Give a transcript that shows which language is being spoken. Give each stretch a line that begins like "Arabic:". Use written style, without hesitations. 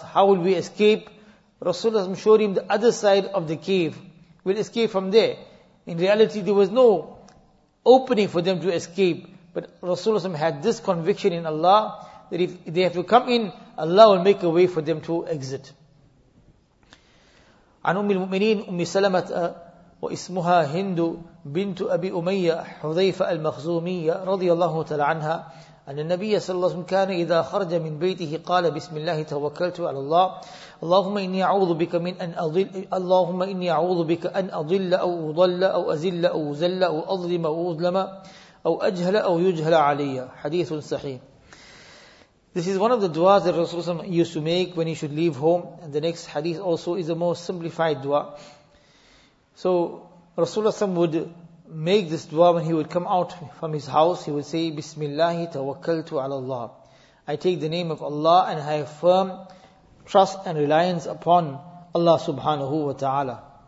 English: How will we escape? Rasulullah showed him the other side of the cave. We'll escape from there. In reality, there was no opening for them to escape. But Rasulullah had this conviction in Allah that if they have to come in, Allah will make a way for them to exit.
Arabic: عن أم المؤمنين أم سلمة واسمها هند بنت أبي أمية حذيفة المخزومية رضي الله تعالى عنها أن النبي صلى الله عليه وسلم كان إذا خرج من بيته قال بسم الله توكلت على الله اللهم إني أعوذ بك من أن أضل اللهم إني أعوذ بك أن أضل أو أضل أو أزل أو زل أو أظلم أو أظلم أو أجهل أو يجهل علي. حديث صحيح.
English: This is one of the du'as that Rasulullah used to make when he should leave home. And the next hadith also is a more simplified du'a. So Rasulullah would make this du'a when he would come out from his house. He would say, Bismillahi tawakkaltu ala Allah. I take the name of Allah and I have firm trust and reliance upon Allah subhanahu wa ta'ala.